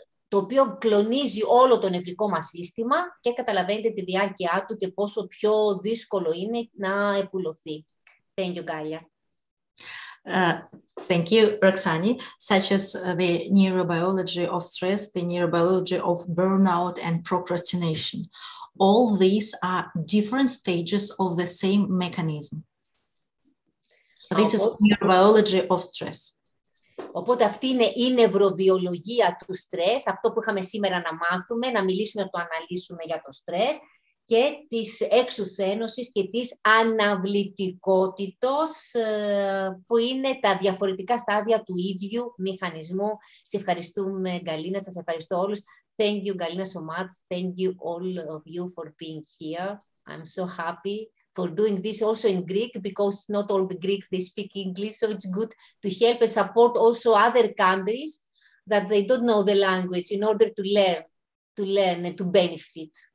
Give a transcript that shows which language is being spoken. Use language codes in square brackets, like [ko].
[el] το οποίο κλονίζει όλο το νευρικό μας σύστημα και καταλαβαίνετε τη διάρκεια του και πόσο πιο δύσκολο είναι να επουλωθεί. [en] Thank you, Galia. Thank you, Roxani. Such as the neurobiology of stress, the neurobiology of burnout and procrastination. All these are different stages of the same mechanism. So this is neurobiology of stress. [el] Οπότε αυτή είναι η νευροβιολογία του στρες, αυτό που είχαμε σήμερα να μάθουμε, να μιλήσουμε, να το αναλύσουμε για το στρες και της εξουθένωσης και της αναβλητικότητος που είναι τα διαφορετικά στάδια του ίδιου μηχανισμού. Σε ευχαριστούμε, Γκαλίνα, σας ευχαριστώ όλους. [en] Thank you, [el] Γκαλίνα, [en] so much. Thank you all of you for being here. I'm so happy for doing this also in Greek, because not all the Greeks, they speak English, so it's good to help and support also other countries that they don't know the language in order to learn and to benefit.